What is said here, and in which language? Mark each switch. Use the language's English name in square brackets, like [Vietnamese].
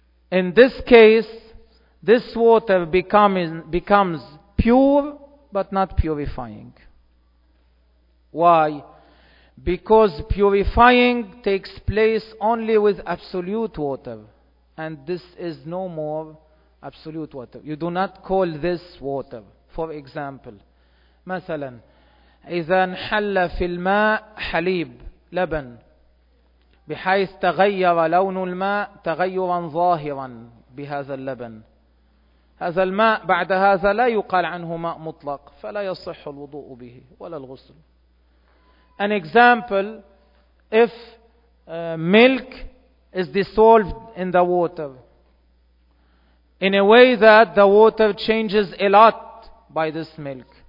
[English] In this case, this water becomes pure but not purifying. Why? Because purifying takes place only with absolute water, and this is no more absolute water. You do not call this water. For example, [Arabic] مثلا إذا انحل في الماء حليب لبن بحيث تغير لون الماء تغيرا ظاهرا بهذا اللبن، هذا الماء بعد هذا لا يقال عنه ماء مطلق، فلا يصح الوضوء به ولا الغسل. [English] An example, if milk is dissolved in the water, in a way that the water changes a lot by this milk.